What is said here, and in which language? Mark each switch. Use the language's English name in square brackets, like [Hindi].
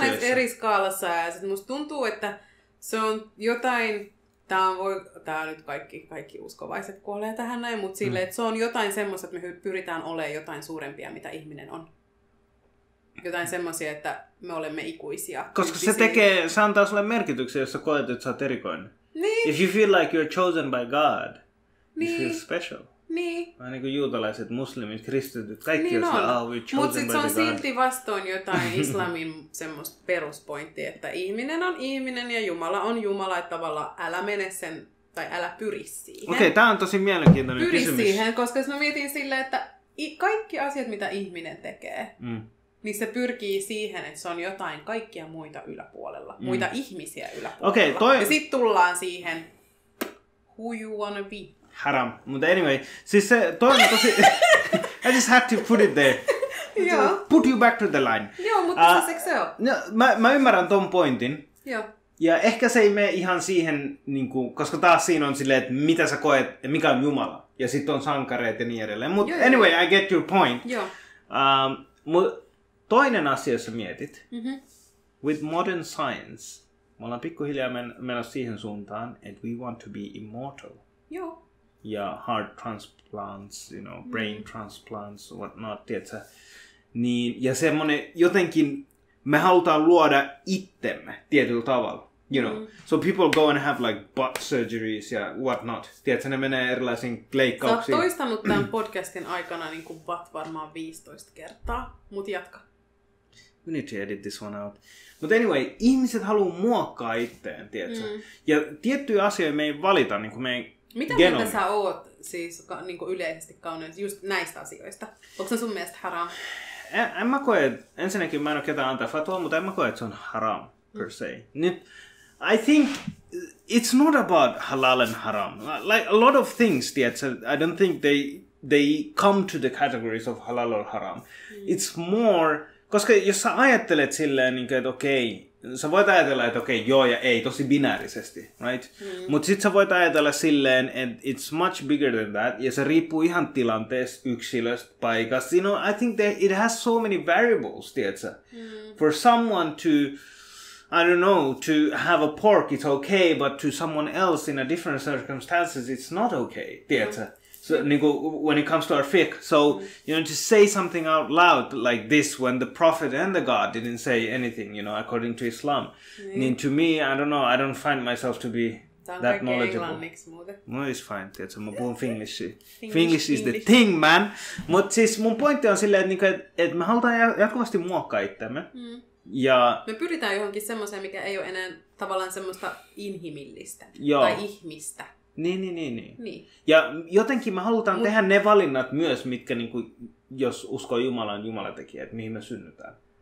[Finnish] Me tehdään eri skaalassa ja sitten musta tuntuu, että se on jotain, tää nyt kaikki uskovaiset kuolee tähän näin, mutta silleen, että se on jotain semmoista, että me pyritään olemaan jotain suurempia, mitä ihminen on. Jotain semmoisia, että me olemme ikuisia. Koska se tekee, se antaa sulle merkityksen, jos sä koet, että sä oot erikoinen. Niin. [English] If you feel like you're chosen by God, niin. You feel special. [Finnish] Niin. Vähän niin kuin juutalaiset, muslimit, kristityt, kaikki niin on. Mutta sitten se on silti vastoin jotain islamin semmoista peruspointtia, että ihminen on ihminen ja Jumala on Jumala, että tavallaan älä mene sen, tai älä pyri siihen. Okei, tämä on tosi mielenkiintoinen pyri kysymys. Pyri siihen, koska jos mä mietin silleen, että kaikki asiat, mitä ihminen tekee, niin se pyrkii siihen, että se on jotain kaikkia muita yläpuolella, muita ihmisiä yläpuolella. Okei, toi... Ja sitten tullaan siihen, [English] who you wanna be. [Finnish] Haram. Mutta anyway, siis se toinen tosi... [English] I just had to put it there. [Finnish] Joo. [English] Put you back to the line. [Finnish] Joo, mutta se eikö se ole? Mä ymmärrän ton pointin. Joo. Ja ehkä se ei mene ihan siihen, niin kuin, koska taas siinä on silleen, että mitä sä koet, mikä on Jumala. Ja sit on sankareet ja niin edelleen. [English] Mutta anyway, I get your point. [Finnish] Joo. Mutta toinen asia, jos sä mietit. Mm-hmm. [English] With modern science, [Finnish] me ollaan pikkuhiljaa menossa siihen suuntaan, että [English] we want to be immortal. [Finnish] Joo. [English] Ja heart transplants, you know, brain transplants, what not, tiedätkö? [Finnish] Niin, ja semmoinen jotenkin me halutaan luoda itsemme tietyllä tavalla. [English] You know, so people go and have like butt surgeries ja what not. [Finnish] Tiedätkö, ne menee erilaisiin leikkauksiin. Sä oot toistanut tämän podcastin aikana niin kuin butt varmaan 15 kertaa, mut jatka. [English] We need to edit this one out. But anyway, [Finnish] ihmiset haluu muokkaa itteen, tiedätkö? Ja tiettyjä asioita me ei valita, niin kuin me ei mitä genomi. Mieltä sä oot siis niin kuin yleisesti kauneet just näistä asioista? Onko se sun mielestä haram? En mä koe, ensinnäkin mä en oo ketään antaa fatua, mutta en mä koe, että se on haram. Per se. [English] Nyt, I think it's not about halal and haram. Like a lot of things, tietsä, I don't think they come to the categories of halal or haram. [Finnish] It's more, koska jos sä ajattelet silleen, niin kuin, että okei, okay, sä voit ajatella, että okei, okay, joo ja ei, tosi binäärisesti, right? Mutta sit sä voit ajatella silleen, että [English] it's much bigger than that, [Finnish] ja se riippuu ihan tilanteesta, yksilöstä, paikasta. [English] You know, I think it has so many variables, tietsä. For someone to I don't know, to have a pork it's okay, but to someone else in a different circumstances it's not okay. Tietä. So niinku when it comes to our fiqh, so you know, to say something out loud like this when the Prophet and the God didn't say anything, you know, according to Islam. Niin to me, I don't know, I don't find myself to be that knowledgeable. No, it's fine, tietä. [Finnish] Mä puhun finglishi. [English] Finglish is the thing, man. [Finnish] Mut siis mun pointti on silleen, että me halutaan jatkuvasti muokkaa itseämme. Ja me pyritään johonkin semmoiseen, mikä ei ole enää tavallaan semmoista inhimillistä. Joo. Tai ihmistä. Niin. Ja jotenkin me halutaan tehdä ne valinnat myös, mitkä niinku, jos uskoo Jumalan, Jumala tekee, että mihin me synnytään.